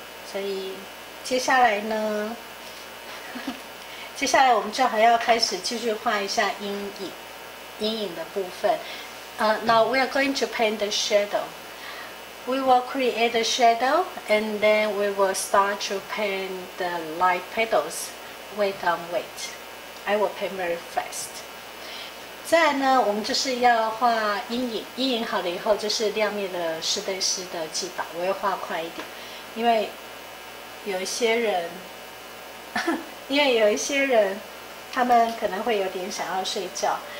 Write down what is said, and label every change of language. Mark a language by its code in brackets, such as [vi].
[zh] 所以接下来呢，接下来我们就还要开始继续画一下阴影的部分。 [en] Now we are going to paint the shadow. We will create the shadow, and then we will start to paint the light petals. Wait on wait. I will paint very fast. [zh] 再来呢，我们就是要画阴影。阴影好了以后，就是亮面的施灯师的技法。我要画快一点，因为有一些人，他们可能会有点想要睡觉。